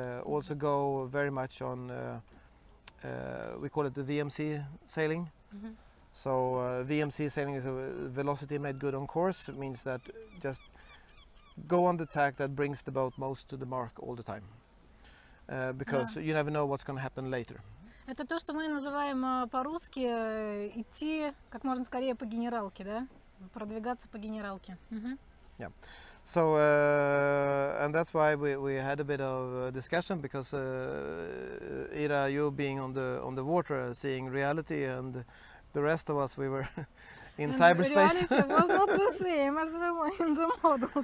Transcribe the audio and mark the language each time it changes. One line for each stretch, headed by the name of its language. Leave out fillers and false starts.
English: Also go very much on we call it the VMC sailing. Mm-hmm. So VMC sailing is a velocity made good on course. It means that just go on the tack that brings the boat most to the mark all the time, because yeah. you never know what's going to happen later.
Russian: Это то, что мы называем по-русски идти как можно скорее по генералке, да? Продвигаться по генералке.
English: Mm-hmm. Yeah. So and that's why we had a bit of discussion because Ira, you being on the water, seeing reality, and the rest of us we were in and cyberspace. Reality was not the same as we were in the model.